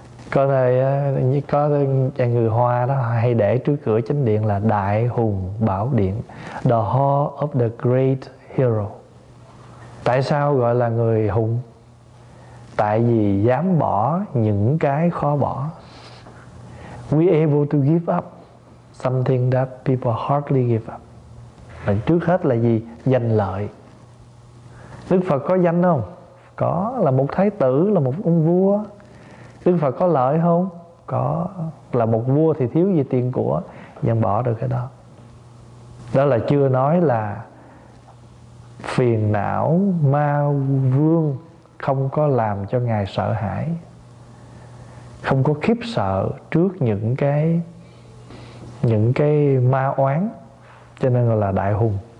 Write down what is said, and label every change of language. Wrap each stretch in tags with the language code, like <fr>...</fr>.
<vi>Có đây như có nhà người Hoa đó hay để trước cửa chánh điện là Đại Hùng Bảo Điện,</vi> <en>the hall of the great hero.</en> <vi>Tại sao gọi là người hùng? Tại vì dám bỏ những cái khó bỏ.</vi> <en>We able to give up something that people hardly give up.</en> <vi>Mình trước hết là gì? Danh lợi. Đức Phật có danh không? Có, là một thái tử, là một ông vua. Đức Phật có lợi không? có, là một vua thì thiếu gì tiền của, dân bỏ được cái đó. Đó là chưa nói là phiền não ma vương không có làm cho ngài sợ hãi, không có khiếp sợ trước những cái ma oán, cho nên gọi là đại hùng.</vi>